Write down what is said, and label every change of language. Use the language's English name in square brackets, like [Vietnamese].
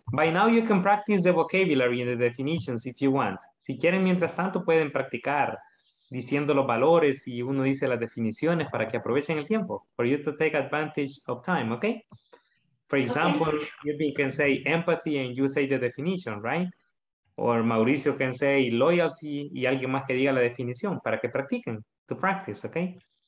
[English] By now you can practice the vocabulary and the definitions if you want. [Spanish] Si quieren, mientras tanto pueden practicar diciendo los valores y uno dice las definiciones para que aprovechen el tiempo. [English] For you to take advantage of time, okay? For example, okay. You can say empathy and you say the definition, right? Or Mauricio can say loyalty [Spanish] y alguien más que diga la definición para que practiquen, [English] to practice, okay?